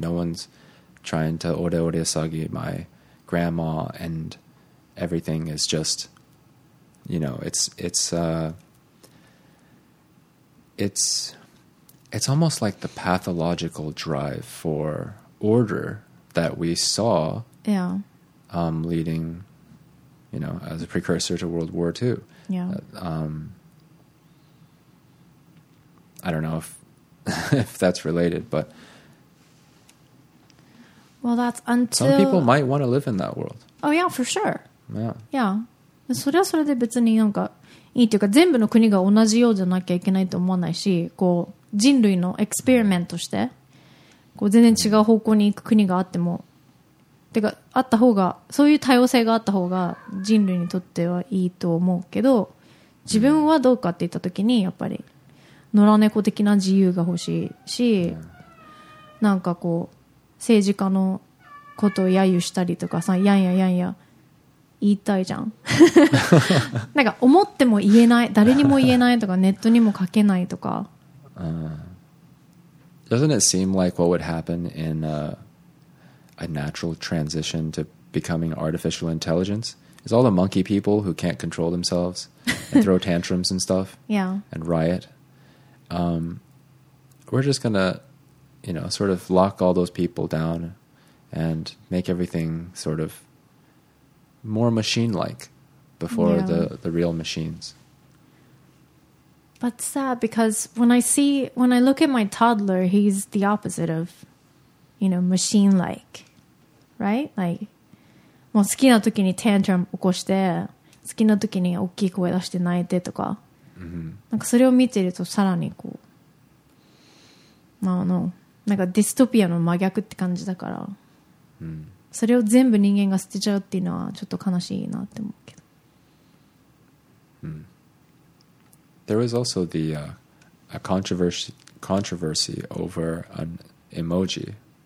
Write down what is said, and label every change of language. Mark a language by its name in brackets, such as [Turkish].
[English] No one's trying to ore ore sagi my grandma, and everything is just, you know, it's almost like the pathological drive for order that we saw leading, you know, as a precursor to World War II. Yeah. I don't know if if that's related, but well, that's until some people might want to live in that world. Oh yeah, for sure. Yeah. Yeah. [Japanese] それはそれで別になんかいいというか、全部の国が同じようじゃなきゃいけないと思わないし、こう人類のエクスペリメントして、こう全然違う方向に行く国があっても、てかあった方が、そういう多様性があった方が人類にとってはいいと思うけど、自分はどうかって言った時にやっぱり。野良猫的な自由が欲しいし、なんかこう政治家のことを揶揄したりとかさ、やんややんや言いたいじゃん。なんか思っても言えない、誰にも言えないとか、ネットにも書けないとか。 [English] Doesn't it seem like what would happen in a natural transition to becoming artificial intelligence is all the monkey people who can't control themselves and throw tantrums and stuff, yeah, and riot. We're just gonna, you know, sort of lock all those people down and make everything sort of more machine-like before yeah. the real machines. That's sad because when I look at my toddler, he's the opposite of, you know, machine-like, right? [Japanese] Like, もう好きな時にテントラム起こして、好きな時に大きい声出して泣いてとか。 Mm-hmm. なんかそれを見てるとさらにこう、まあ、なんかディストピアの真逆って感じだから、 mm-hmm. それを全部人間が捨てちゃうっていうのはちょっと悲しいなって思うけど、 mm-hmm. [English] There was also the a controversy over an emoji.